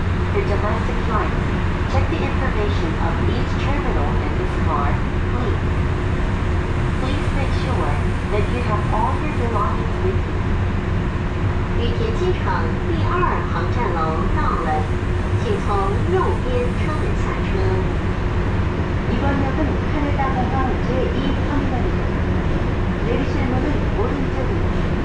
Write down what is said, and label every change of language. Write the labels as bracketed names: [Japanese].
[English] For domestic flights, check the information of each terminal in this car, please. Please make sure that you have all your belongings with you. [Chinese] 羽田机场第二航站楼到了，请从右边车门下车。 [Korean] 이번역은 하네다 공항 제2 터미널입니다. 내리실 문은 오른쪽입니다.